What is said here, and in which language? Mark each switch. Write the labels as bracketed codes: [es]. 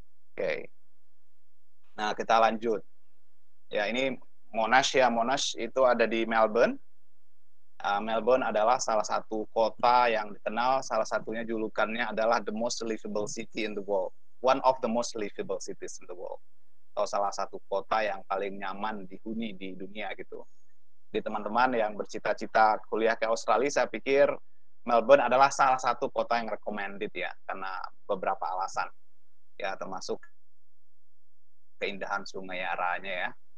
[id] Oke. Nah, kita lanjut. Ya, ini Monash ya. Monash itu ada di Melbourne. Melbourne adalah salah satu kota yang dikenal, salah satunya julukannya adalah [en] the most livable city in the world. One of the most livable cities in the world. [id] Atau salah satu kota yang paling nyaman dihuni di dunia gitu. Di teman-teman yang bercita-cita kuliah ke Australia, saya pikir Melbourne adalah salah satu kota yang recommended ya, karena beberapa alasan. Ya, termasuk keindahan sungai Yarranya ya.